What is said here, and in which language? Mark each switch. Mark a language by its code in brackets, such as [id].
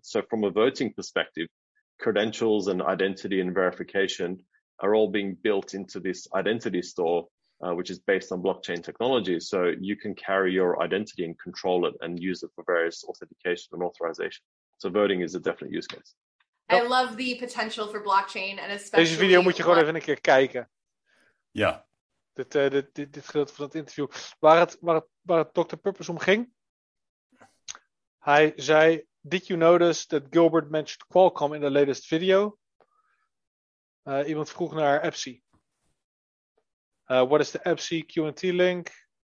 [en] So from a voting perspective, credentials and identity and verification are all being built into this identity store, which is based on blockchain technology. So you can carry your identity and control it and use it for various authentication and authorization. So voting is a definite use case. I love the potential for blockchain, and especially... [nl] Deze video moet je gewoon even een keer kijken. Ja. Dit gedeelte van het interview. Waar het Dr. Purpose om ging. Hij zei, [en] did you notice that Gilbert mentioned Qualcomm in the latest video? [nl] Iemand vroeg naar [en] EPSI. What is the EPSI Q&T link?